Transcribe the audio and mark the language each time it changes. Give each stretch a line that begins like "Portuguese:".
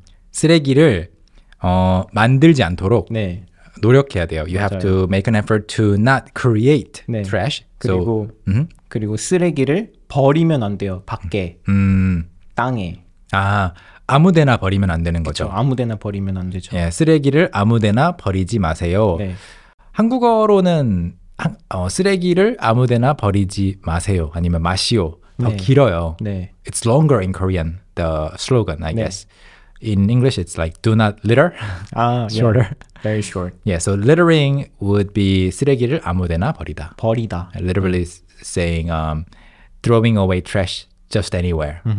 Korean: 쓰레기를 만들지 않도록 네. 노력해야 돼요.
English: You
Korean: 맞아요.
English: Have to make an effort to not create
Korean: 네.
English: trash.
Korean: 그리고 그리고 쓰레기를 버리면 안 돼요. 밖에. 땅에. 아, 아무데나 버리면 안 되는 거죠. 그쵸, 아무데나 버리면 안 되죠. 예, 쓰레기를 아무데나 버리지 마세요. 네. 한국어로는 쓰레기를 아무데나 버리지 마세요. 아니면 마시오. 더 네. 길어요. 네.
English: It's longer in Korean, the slogan, I guess. In English, it's like, do not litter. Shorter. Yeah. Very short. Yeah, so littering would be
Korean: 쓰레기를 아무데나 버리다. 버리다.
English: Literally saying throwing away trash just anywhere.